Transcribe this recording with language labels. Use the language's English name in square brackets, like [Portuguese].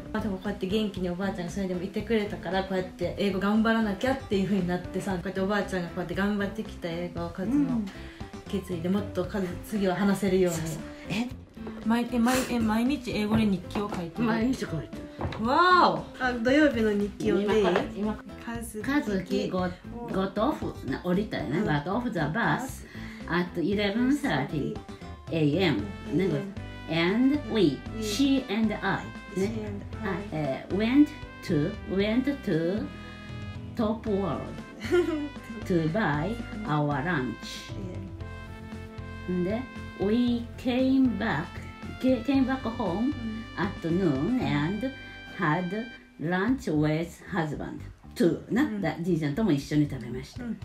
[Japanese] まあ、でもこうやって元気におばあちゃんがそれでもいてくれたから、こうやって英語頑張らなきゃっていう風になってさ、こうやっておばあちゃんがこうやって頑張ってきた英語をカズの決意で、もっとカズ次は話せるように、うん、そうそう、え、毎日英語で日記を書いてる。毎日書いてる。わーお、あ、土曜日の日記を今から今カズキ [English] got off、 [Japanese] 降りたよね、 [English] got off the bus at 11:30 a.m. and we she and Iね、went to Top World to buy our lunch. で、we came back home at noon and had lunch with husband. [Japanese] To な、じいちゃんとも一緒に食べました。